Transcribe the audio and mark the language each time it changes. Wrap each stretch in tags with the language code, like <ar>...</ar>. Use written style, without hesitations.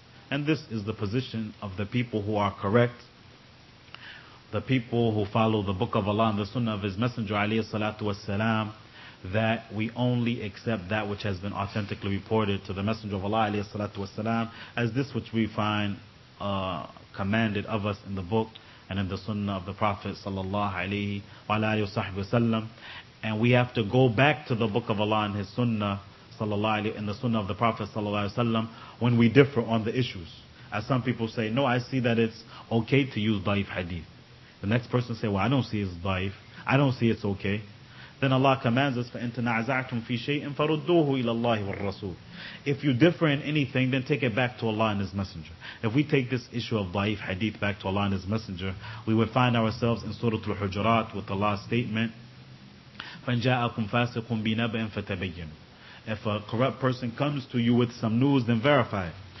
<en>And this is the position of the people who are correct, the people who follow the book of Allah and the sunnah of His Messenger alayhi salatu wasalam, that we only accept that which has been authentically reported to the Messenger of Allah alayhi salatu wasalam, as this which we find commanded of us in the book and in the sunnah of the Prophet sallallahu alayhi wa alihi wasallam. And we have to go back to the book of Allah and His sunnah sallallahu alayhi, in the sunnah of the Prophet sallallahu alayhi wasallam, when we differ on the issues. As some people say, no, I see that it's okay to use daif hadith. The next person say, well, I don't see it's daif. I don't see it's okay.</en> <ar>Then Allah commands us, فَإِن تَنَعَزَعْتُمْ فِي شَيْءٍ فَرُدُّوهُ إِلَى اللَّهِ وَالرَّسُولِ.</ar> <en>If you differ in anything, then take it back to Allah and His Messenger. If we take this issue of daif hadith back to Allah and His Messenger, we would find ourselves in Surah Al-Hujurat with Allah's statement,</en> <ar>فَإِن جَاءَكُمْ فَاسِقٌ بِنَبَأٍ فَتَبَيَّنُوا.</ar> <en>If a corrupt person comes to you with some news, then verify it.</en>